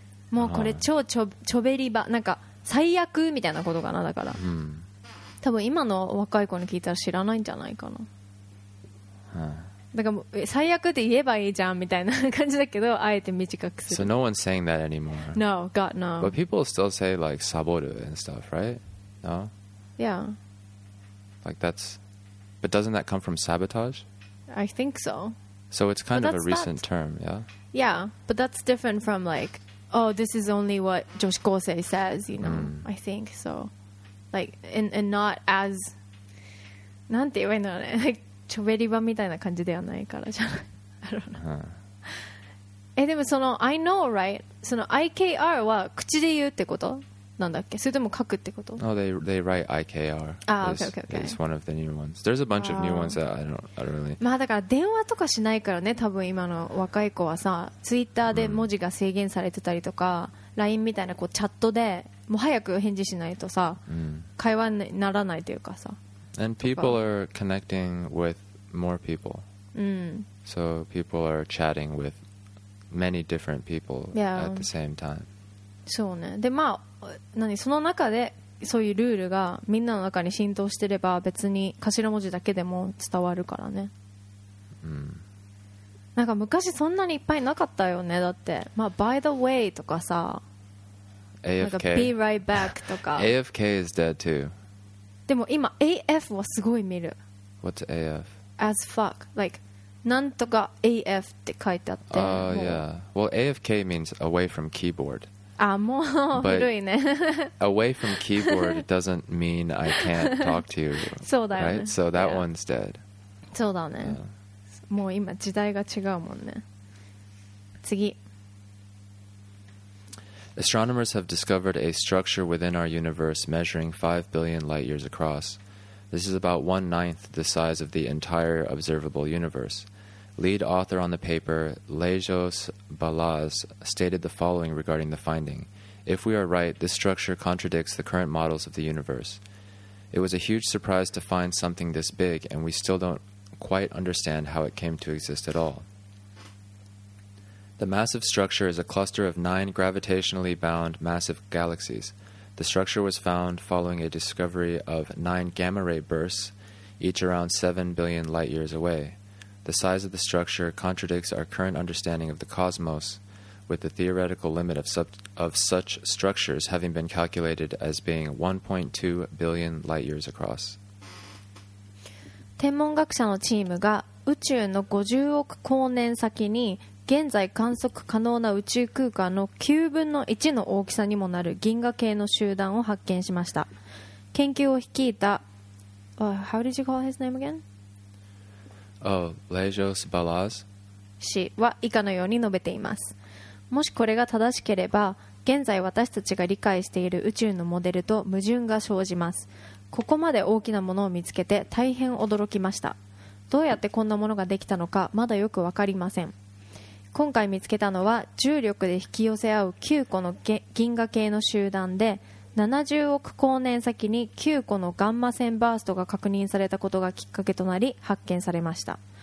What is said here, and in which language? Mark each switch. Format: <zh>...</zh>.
<ja>もうこれ超チョベリバー、なんか最悪みたいなことかなだから。うん。多分今の若い子に聞いたら知らないんじゃないかな。はい。だから最悪って言えばいいじゃんみたいな感じだけどあえて短くする。</ja> <en>So no one's saying that anymore. No, God, no. But people still say like saboru and stuff, right? No. Yeah. Like that's, but doesn't that come from sabotage? I think so. So it's kind of a recent term, yeah. Yeah, but that's different from like, oh, this is only what 女子高生 says, you know.、Mm. I think so. Like, and not as,</en> <ja>なんて言えばいいのね、</ja> <en>like.</en> <ja>チョベリバみたいな感じではないからじゃん。 huh. え、でもその</ja> <en>I know, right?</en> <ja>その IKR は口で言うってことなんだっけ？それとも書くってこと？</ja> <en>No, they write IKR. Ah, okay. It's one of the new ones. There's a bunch of new ones that I don't really.</en> <ja>まあだから電話とかしないからね。多分今の若い子はさ、Twitter で文字が制限されてたりとか、LINE みたいなこうチャットでもう早く返事しないとさ、会話にならないというかさ。</ja> <en>And people are connecting with more people. So people are chatting with many different people、 yeah. at the same time.</en> <ja>そうね。で、まあ、何、その中でそういうルールがみんなの中に浸透してれば別に頭文字だけでも伝わるからね。なんか昔そんなにいっぱいなかったよね。だって、まあ、</ja> <en>by the way</en> <ja>とかさ、</ja> <en>AFK、 be right back とか。 AFK is dead too.</en> <ja>でも今 AF はすごい見る。</ja> <en>What's AF? As fuck Like</en> <ja>なんとか AF って書いてあって</ja> <en>Yeah Well AFK means away from keyboard</en> <ja>古いね。</ja> <en>away from keyboard doesn't mean I can't talk to you.</en> <ja>そうだよね。</ja> <en>Right? So that one's dead.</en> <ja>そうだね。もう今時代が違うもんね。次。</ja> <en>Astronomers have discovered a structure within our universe measuring 5 billion light years across. This is about 1/9 the size of the entire observable universe. Lead author on the paper, Lajos Balaz, stated the following regarding the finding. If we are right, this structure contradicts the current models of the universe. It was a huge surprise to find something this big, and we still don't quite understand how it came to exist at all. The massive structure is a cluster of 9 gravitationally bound massive galaxies. The structure was found following a discovery of 9 gamma ray bursts, each around 7 billion light years away. The size of the structure contradicts our current understanding of the cosmos, with the theoretical limit of such structures having been calculated as being 1.2 billion light years across.</en> <ja>天文学者のチームが宇宙の50億光年先に現在観測可能な宇宙空間の9分の1の大きさにもなる銀河系の集団を発見しました。研究を率いた、</ja> <en>How did you call his name again? Oh, Lajos Balaz?</en> <ja>氏は以下のように述べています。もしこれが正しければ、現在私たちが理解している宇宙のモデルと矛盾が生じます。ここまで大きなものを見つけて大変驚きました。どうやってこんなものができたのかまだよくわかりません。今回見つけたのは重力で引き寄せ合う9個の銀河系の集団で70億光年先に9個のガンマ線バーストが確認されたことがきっかけとなり発見されました。</ja>